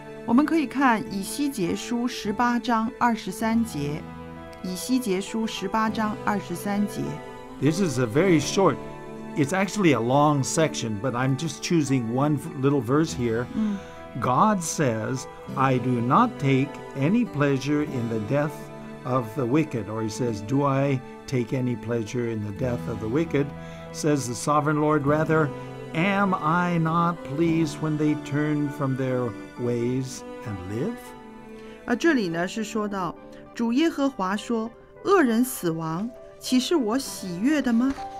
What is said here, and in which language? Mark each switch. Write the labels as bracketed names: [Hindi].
[Chinese] 我们可以看以西结书十八章二十三节。以西结书十八章二十三节。 [English] This is a very short, it's actually a long section, but I'm just choosing one little verse here. God says, I do not take any pleasure in the death of the wicked. Or he says, do I take any pleasure in the death of the wicked? Says the Sovereign Lord, rather, am I not pleased when they turn from their ways and live? [Chinese] 这里呢是说到, 主耶和华说, 恶人死亡, 岂是我喜悦的吗?